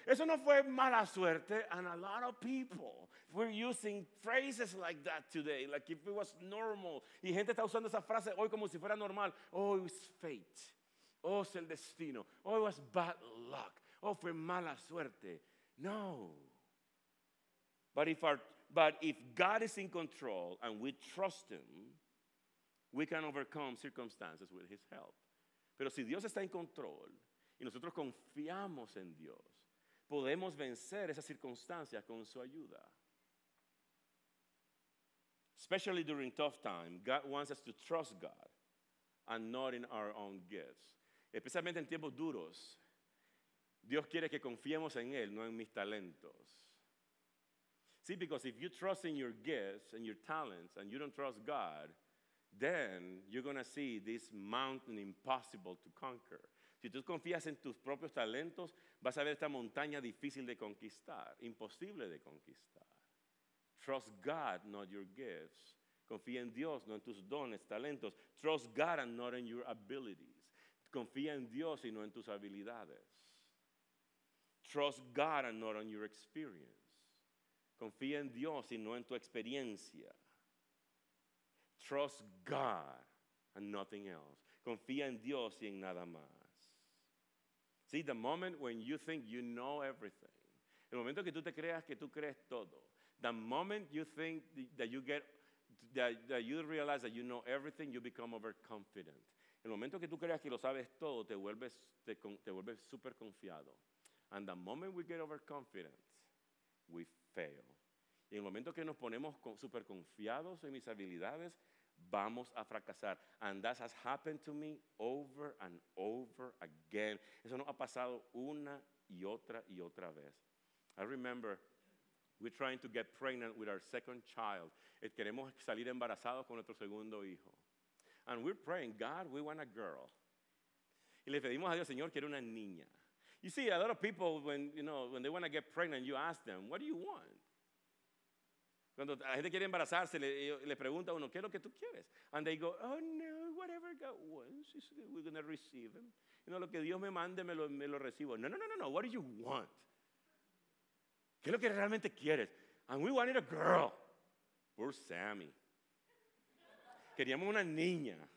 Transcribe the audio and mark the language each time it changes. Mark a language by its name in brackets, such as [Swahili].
[Spanish] Eso no fue mala suerte. [English] And a lot of people were using phrases like that today, like if it was normal. [Spanish] Y gente está usando esa frase hoy como si fuera normal. [English] Oh, it was fate. [Spanish] Oh, es el destino. [English] Oh, it was bad luck. [Spanish] Oh, fue mala suerte. No. [English] But if God is in control and we trust him, we can overcome circumstances with his help. [Spanish] Pero si Dios está en control y nosotros confiamos en Dios, podemos vencer esas circunstancias con su ayuda. [English] Especially during tough times, God wants us to trust God and not in our own gifts. [Spanish] Especialmente en tiempos duros, Dios quiere que confiemos en él, no en mis talentos. [English] See, because if you trust in your gifts and your talents and you don't trust God, then you're going to see this mountain impossible to conquer. [Spanish] Si tú confías en tus propios talentos, vas a ver esta montaña difícil de conquistar, imposible de conquistar. [English] Trust God, not your gifts. [Spanish] Confía en Dios, no en tus dones, talentos. [English] Trust God and not in your abilities. [Spanish] Confía en Dios y no en tus habilidades. [English] Trust God and not on your experience. [Spanish] Confía en Dios y no en tu experiencia. [English] Trust God and nothing else. [Spanish] Confía en Dios y en nada más. [English] See, the moment when you think you know everything, [Spanish] el momento que tú te creas que tú crees todo, [English] the moment you think that you get, that you realize that you know everything, you become overconfident. [Spanish] El momento que tú creas que lo sabes todo, te vuelves súper confiado. [English] And the moment we get overconfident, we fail. [Spanish] Y en el momento que nos ponemos súper confiados en mis habilidades, vamos a fracasar. [English] And that has happened to me over and over again. [Spanish] Eso nos ha pasado una y otra vez. [English] I remember we're trying to get pregnant with our second child. [Spanish] Queremos salir embarazados con nuestro segundo hijo. [English] And we're praying, God, we want a girl. [Spanish] Y le pedimos a Dios, Señor, quiero una niña. [English] You see, a lot of people, when they want to get pregnant, you ask them, what do you want? [Spanish] Cuando la gente quiere embarazarse, le pregunta a uno, ¿qué es lo que tú quieres? [English] And they go, oh, no, whatever God wants, we're going to receive him. You know, [Spanish] lo que Dios me mande, me lo recibo. [English] No, what do you want? [Spanish] ¿Qué es lo que realmente quieres? [English] And we wanted a girl. Poor Sammy. [Spanish] Queríamos una niña.